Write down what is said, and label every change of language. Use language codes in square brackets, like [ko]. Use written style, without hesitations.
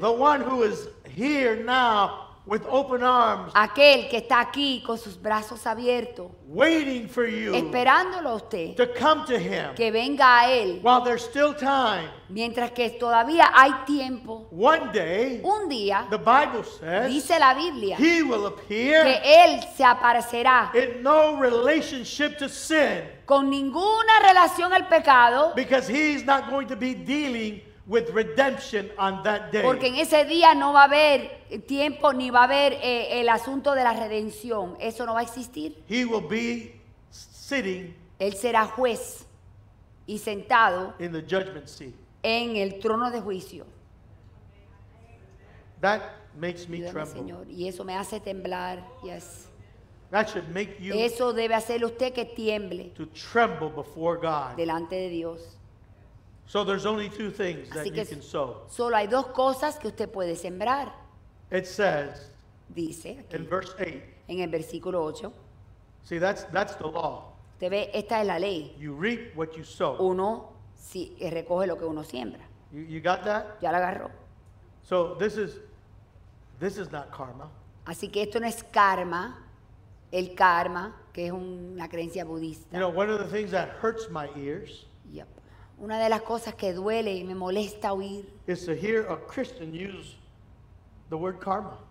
[en] The one who is here now with open arms. [es] Aquel que está aquí con sus brazos abiertos. [en] Waiting for you. [es] Esperándolo a usted. [en] To come to him. [es] Que venga a él. [en] While there's still time. [es] Mientras que todavía hay tiempo. [en] One day. [es] Un día. [en] The Bible says. [es] Dice la Biblia. [en] He will appear. [es] Que él se aparecerá. [en] In no relationship to sin. [es] Con ninguna relación al pecado. [en] Because he's not going to be dealing with redemption on that day. [es] Porque en ese día no va a haber tiempo ni va a haber el asunto de la redención. Eso no va a existir. [en] He will be sitting. [es] Él será juez y sentado [en] in the judgment seat. [es] En el trono de juicio. [en] That makes me tremble. [es] Señor, y eso me hace temblar. Yes. [en] That should make you. [es] Eso debe hacerle usted que tiemble. [en] To tremble before God. [es] Delante de Dios. [en] So there's only two things that you can sow. [es] Solo hay dos cosas que usted puede sembrar. [en] It says, [es] dice, [en] aquí, in verse 8. [es] En el versículo 8. [en] See, that's the law. [es] Usted ve, esta es la ley. [en] You reap what you sow. [es] Uno si, recoge lo que uno siembra. [en] You got that? [es] Ya la agarró. [en] So this is not karma. [es] Así que esto no es karma. El karma, que es una creencia budista. [en] You know, one of the things that hurts my ears. Yep. [es] Una de las cosas que duele y me molesta oír [en] is to hear a Christian use the word karma.